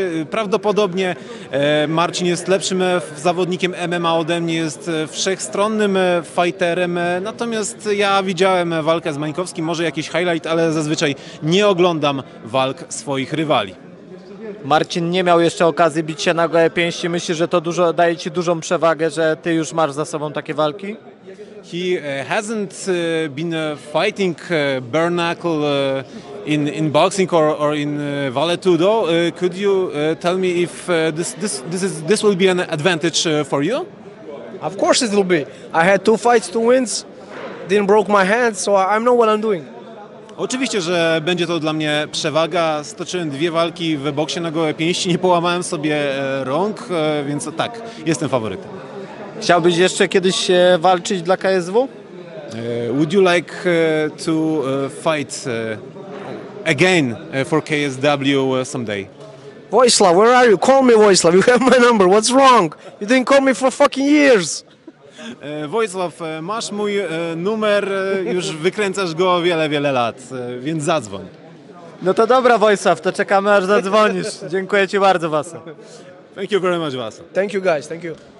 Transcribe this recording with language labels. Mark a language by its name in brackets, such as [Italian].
[Polish] Prawdopodobnie Marcin jest lepszym zawodnikiem MMA ode mnie, jest wszechstronnym fighterem. Natomiast ja widziałem walkę z Mańkowskim, może jakiś highlight, ale zazwyczaj nie oglądam walk swoich rywali. Marcin nie miał jeszcze okazji bić się na gołe pięści. Myślisz, że to dużo daje ci dużą przewagę, że ty już masz za sobą takie walki? [English] He hasn't been fighting bare knuckle in boxing or in Vale Tudo. Could you tell me if this will be an advantage for you? Of course it will be. I had two fights, two wins. Didn't broke my hand, so I know what I'm doing. [Polish] Oczywiście, że będzie to dla mnie przewaga. Stoczyłem dwie walki w boksie na gołe pięści, nie połamałem sobie rąk, więc tak, jestem faworytem. Chciałbyś jeszcze kiedyś walczyć dla KSW? [English] Would you like to fight again for KSW someday? Wojsław, where are you? Call me Wojsław, you have my number, what's wrong? You didn't call me for fucking years! [Polish] Wojsław, masz mój numer, już wykręcasz go wiele, wiele lat, więc zadzwoń. No to dobra, Wojsław, to czekamy, aż zadzwonisz. Dziękuję ci bardzo, Waso. [English] Thank you very much, Waso. Thank you, guys, thank you.